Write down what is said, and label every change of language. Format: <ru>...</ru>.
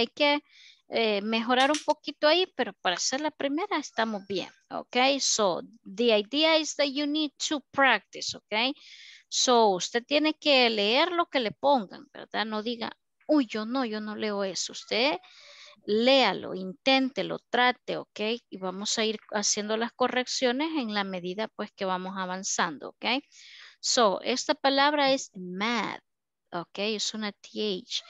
<es>Hay que mejorar un poquito ahí, pero para hacer la primera estamos bien, okay?</es> <en>So the idea is that you need to practice, okay?</en> <es>So usted tiene que leer lo que le pongan, ¿verdad? No diga, uy, yo no leo eso. Usted léalo, inténtelo, trate, ¿ok? Y vamos a ir haciendo las correcciones en la medida pues que vamos avanzando, ¿ok? So, esta palabra es mad, ¿ok? Es una TH.</es>